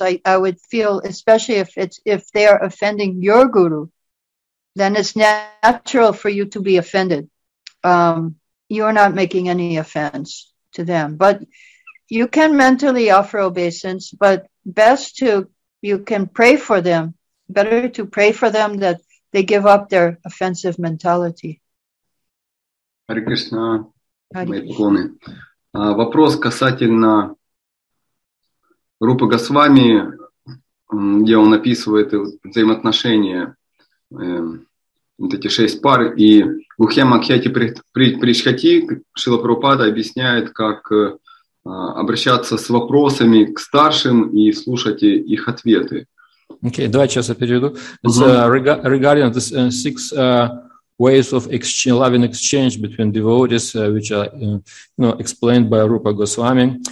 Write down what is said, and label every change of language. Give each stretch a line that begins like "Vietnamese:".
English: I would feel, especially if they are offending your guru, then it's natural for you to be offended. You're not making any offense to them, but you can mentally offer obeisance, but best to, you can pray for them, better to pray for them that they give up their offensive mentality.
Russian: Харе Кришна, мои поклоны. Вопрос касательно Рупы Госвами, где он описывает взаимоотношения вот эти шесть пар, и Гухема Кхьяти Пришхати Шрила Прабхупада объясняет, как обращаться с вопросами к старшим и слушать их ответы. Окей, давай сейчас я переведу.
English: It's regarding the six ways of exchange, loving exchange between devotees, which are explained by Rupa Goswami.